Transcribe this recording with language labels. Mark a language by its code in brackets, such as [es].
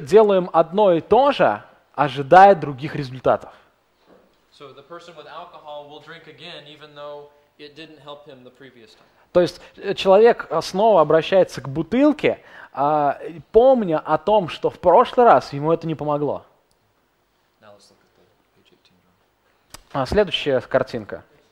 [ru] Делаем одно и то же, ожидая других результатов. [en] So the person with alcohol will drink again, even though it didn't help him the previous time. [ru] То есть человек снова обращается к бутылке, помня о том, что в прошлый раз ему это не помогло. [en] Now let's look at the page 18. [ru] Следующая картинка.